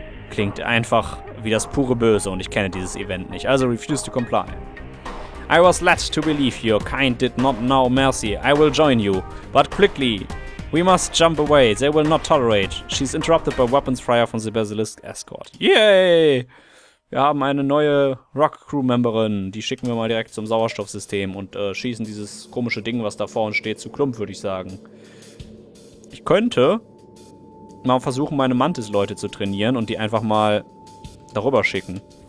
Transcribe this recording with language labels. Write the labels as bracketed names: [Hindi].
[German] Klingt einfach wie das pure Böse und ich kenne dieses Event nicht. [English] Also refuse to comply. I was led to believe your kind did not know mercy. I will join you. But quickly, we must jump away. They will not tolerate. She's interrupted by weapons fire from the Basilisk Escort. [German] Yay! Wir haben eine neue Rock-Crew-Memberin. Die schicken wir mal direkt zum Sauerstoffsystem und schießen dieses komische Ding, was da vor uns steht, zu Klump, würde ich sagen. Ich könnte mal versuchen, meine Mantis-Leute zu trainieren und die einfach mal darüber schicken.